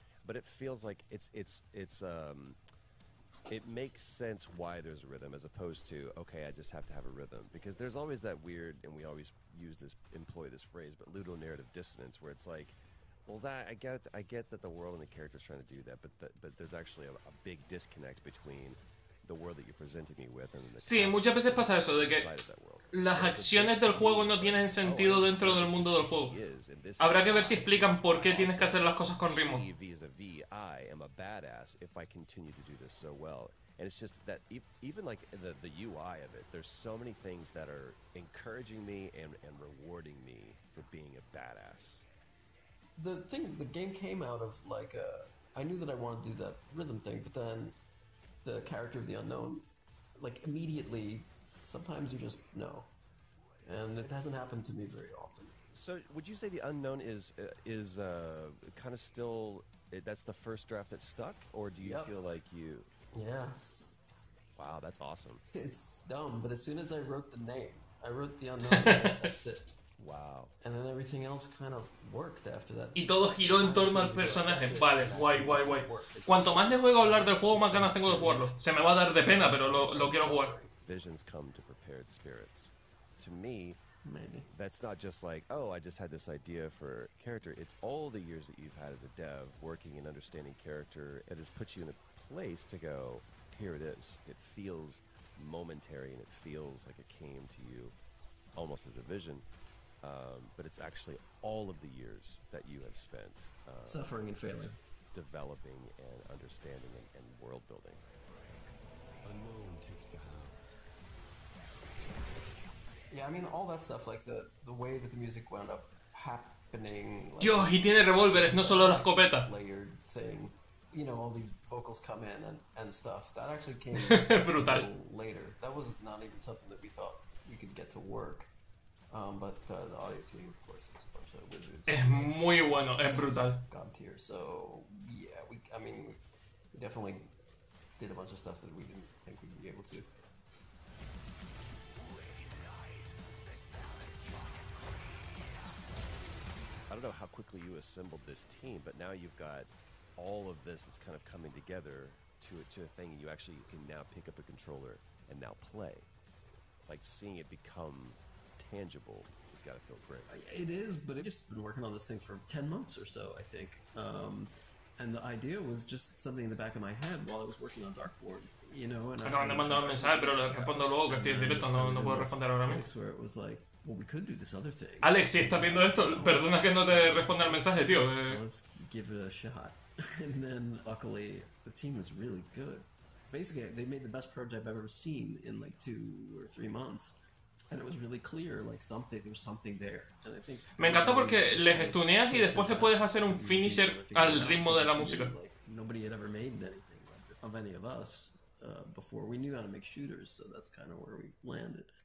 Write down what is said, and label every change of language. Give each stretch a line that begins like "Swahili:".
English: But it feels like it makes sense why there's a rhythm, as opposed to okay, I just have to have a rhythm, because there's always that weird, and we always employ this phrase, but ludonarrative dissonance, where it's like, well, that I get that the world and the character is trying to do that, but there's actually a big disconnect between. The world that you're presenting me with and the
Spanish: sí, muchas veces pasa eso, de que las acciones del juego no tienen sentido dentro del mundo del juego. Habrá que ver si explican por qué tienes que hacer las cosas con ritmo.
English: I am a badass if I continue to do this so well. And it's just that even like the UI of it, there's so many things that are encouraging me and rewarding me for being a badass. The game came out of like I knew that I wanted to do that rhythm thing, but then the character of the unknown, like immediately, sometimes you just know, and it hasn't happened to me very often. So would you say the unknown is kind of still, that's the first draft that stuck, or do you feel like you... Yeah. Wow, that's awesome. It's dumb, but as soon as I wrote the name, I wrote the unknown, that's it. Wow. And then everything else kind of worked after that.
Spanish: Y todo giró en torno al personaje. Vale, guay. Cuanto más le juego a hablar del juego, más ganas tengo de jugarlo. Se me va a dar de pena, pero lo quiero jugar.
English: Visions come to prepared spirits. To me, maybe. That's not just like, oh, I just had this idea for character. It's all the years that you've had as a dev, working and understanding character, it has put you in a place to go, here it is. It feels momentary and it feels like it came to you almost as a vision. But it's actually all of the years that you have spent suffering and failing, developing and understanding and world building. Unknown takes the house. Yeah, I mean all that stuff, like the way that the music wound up happening. Like,
Spanish: Dios, y tiene revólveres, no solo la escopeta.
English: Layered thing, you know, all these vocals come in and stuff. That actually came
Spanish: brutal
English: later. That was not even something that we thought we could get to work. But the audio team, of course, is a bunch of wizards.
Spanish: Es muy bueno, es brutal.
English: God tier, so yeah, we definitely did a bunch of stuff that we didn't think we'd be able to. Recognize don't know how quickly you assembled this team, but now you've got all of this that's kind of coming together to a thing, and you actually can now pick up a controller and now play. Like, seeing it become tangible has got to feel great. It is, but I've just been working on this thing for 10 months or so, I think. And the idea was just something in the back of my head while I was working on Darkborn, you know? And
Spanish: no, le mandaba un mensaje, pero le respondo luego, que estoy directo, no puedo responder ahora mismo.
English: Where it was like, well, we could do this other thing.
Spanish: Alex, si estás viendo esto, perdona que no te responda el mensaje, tío.
English: Let's give it a shot. And then, luckily, the team was really good. Basically, they made the best prototype I've ever seen in like 2 or 3 months. And it was really clear, like something, there was something there. And I think,
Spanish: me encantó porque les estuneas y después le puedes hacer un finisher al ritmo de la música.
English: Nobody had ever made anything like this, of any of us, before. We knew how to make shooters, so that's kind of where we landed.